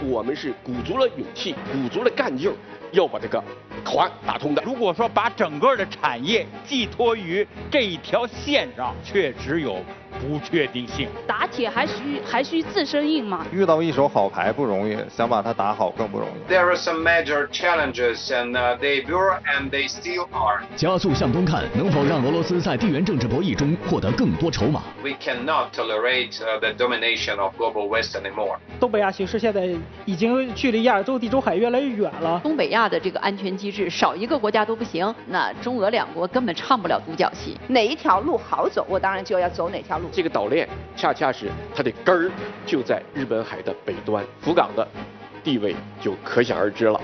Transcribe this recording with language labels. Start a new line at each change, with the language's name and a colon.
Chinese: 我们是鼓足了勇气，鼓足了干劲，要把这个口岸打通的。如果说把整个的产业寄托于这一条线上，确实有不确定性。打铁还需自身硬吗？遇到一手好牌不容易，想把它打好更不容易。
English: There are some major challenges and they were and they still are.
Chinese: 加速向东看，能否让俄罗斯在地缘政治博弈中获得更多筹码？
English: We cannot tolerate the domination of global West anymore.
Chinese: 东北亚形势现在已经距离亚洲地中海越来越远了。东北亚的这个安全机制少一个国家都不行，那中俄两国根本唱不了独角戏。哪一条路好走，我当然就要走哪条。这个岛链恰恰是它的根儿就在日本海的北端，福冈的地位就可想而知了。